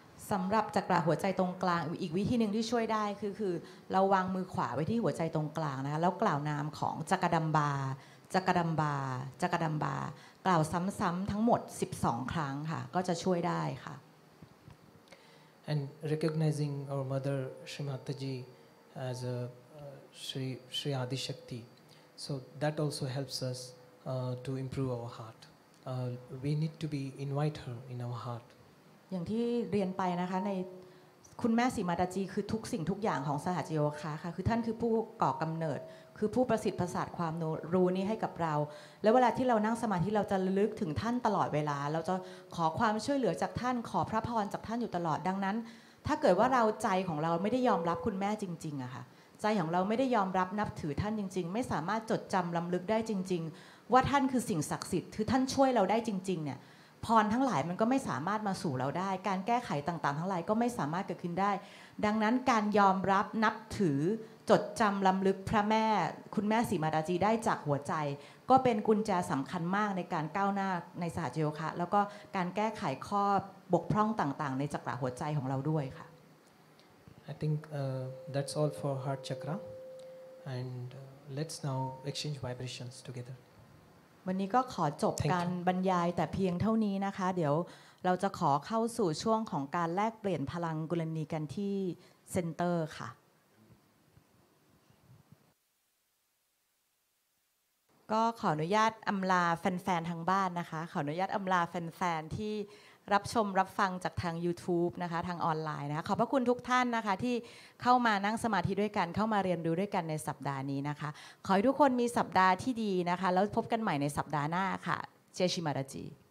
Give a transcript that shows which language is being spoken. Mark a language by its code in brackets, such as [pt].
[th] สำหรับจักระหัวใจตรงกลางอีกวิธีนึงที่ช่วยได้คือเราวางมือขวาไว้ที่หัวใจตรงกลางนะคะแล้วกล่าวนามของจักระดัมบาจักระดัมบาจักระดัมบากล่าวซ้ำๆทั้งหมด12ครั้งค่ะก็จะช่วยได้ค่ะ [en] And recognizing our mother Shri Mataji as a Shri Adi Shakti so that also helps us to improve our heart we need to be invite her in our heart [th] อย่างที่เรียนไปนะคะในคุณแม่สีมาตาจีคือทุกสิ่งทุกอย่างของสหจีวคาค่ะคือท่านคือผู้ก่อกำเนิดคือผู้ประสิทธิ์ประสาทความรู้นี้ให้กับเราแล้วเวลาที่เรานั่งสมาธิเราจะลึกถึงท่านตลอดเวลาเราจะขอความช่วยเหลือจากท่านขอพระพรจากท่านอยู่ตลอดดังนั้นถ้าเกิดว่าเราใจของเราไม่ได้ยอมรับคุณแม่จริงๆอะค่ะใจของเราไม่ได้ยอมรับนับถือท่านจริงๆไม่สามารถจดจำล้ำลึกได้จริงๆว่าท่านคือสิ่งศักดิ์สิทธิ์คือท่านช่วยเราได้จริงๆเนี่ย พรทั้งหลายมันก็ไม่สามารถมาสู่เราได้การแก้ไขต่างๆทั้งหลายก็ไม่สามารถเกิดขึ้นได้ดังนั้นการยอมรับนับถือจดจำลำลึกพระแม่คุณแม่สีมาดาจีได้จากหัวใจก็เป็นกุญแจสำคัญมากในการก้าวหน้าในสหจิโยคะแล้วก็การแก้ไขข้อบกพร่องต่างๆในจักระหัวใจของเราด้วยค่ะ [en] I think that's all for heart chakra and let's now exchange vibrations together [th] วันนี้ก็ขอจบการบรรยายแต่เพียงเท่านี้นะคะเดี๋ยวเราจะขอเข้าสู่ช่วงของการแลกเปลี่ยนพลังกุลนีกันที่เซ็นเตอร์ค่ะ ก็ขออนุญาตอำลาแฟนๆทางบ้านนะคะขออนุญาตอำลาแฟนๆที่รับชมรับฟังจากทาง YouTube นะคะทางออนไลน์นะคะขอบพระคุณทุกท่านนะคะที่เข้ามานั่งสมาธิด้วยกันเข้ามาเรียนรู้ด้วยกันในสัปดาห์นี้นะคะขอให้ทุกคนมีสัปดาห์ที่ดีนะคะแล้วพบกันใหม่ในสัปดาห์หน้าค่ะเจชิมาราจี